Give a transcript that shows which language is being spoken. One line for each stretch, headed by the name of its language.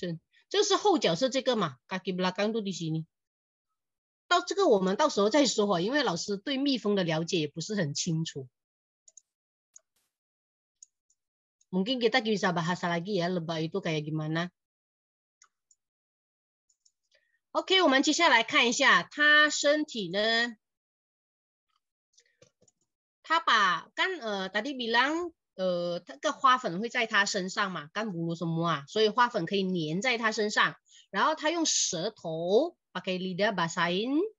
Chinese: 等一下哈，这是头部那个巴拉，这是胸部，这是腹部那个，你看，翅膀花粉蓝，这是后脚是这个嘛 ？
Malay: kaki belakang tu di sini。
Chinese: 到这个我们到时候再说哈，因为老师对蜜蜂的了解也不是很清楚。
Indonesian: Mungkin kita bisa bahas lagi ya lebah itu kayak gimana.
Chinese: OK， 我们接下来看一下它身体呢。他 把
Indonesian: kan tadi bilang ke
Chinese: 花粉会在他身上嘛
Indonesian: kan bulu semua
Chinese: 所以花粉可以粘在他身上然后他用舌头
Indonesian: pakai lidah basahin